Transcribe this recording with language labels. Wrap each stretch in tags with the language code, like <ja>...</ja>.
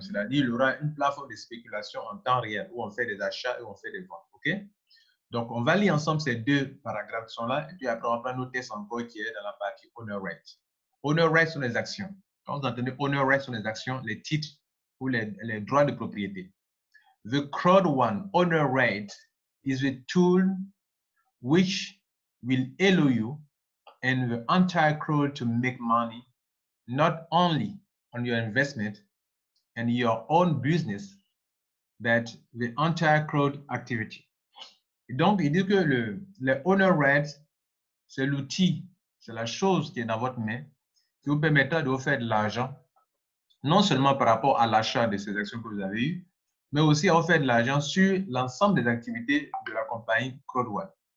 <fr>C'est-à-dire, il y aura une plateforme de spéculation en temps réel où on fait des achats et où on fait des ventes. Okay? Donc, on va lire ensemble ces deux paragraphes qui sont là. Et puis après, on va prendre notre test encore qui est dans la partie Honor Rate. Honor Rate sur les actions. Quand vous entendez Honor Rate sur les actions, les titres ou les droits de propriété.</fr> <en>The Crowd One Honor Rate is a tool which will allow you and the entire crowd to make money not only on your investment and your own business, but the entire crowd activity.</en> <fr>Et donc, il dit que le Honor Rate, c'est l'outil, c'est la chose qui est dans votre main qui vous permettra de vous faire de l'argent, non seulement par rapport à l'achat de ces actions que vous avez eues, mais aussi à offrir de l'argent sur l'ensemble des activités de la compagnie CrowdOne.</fr>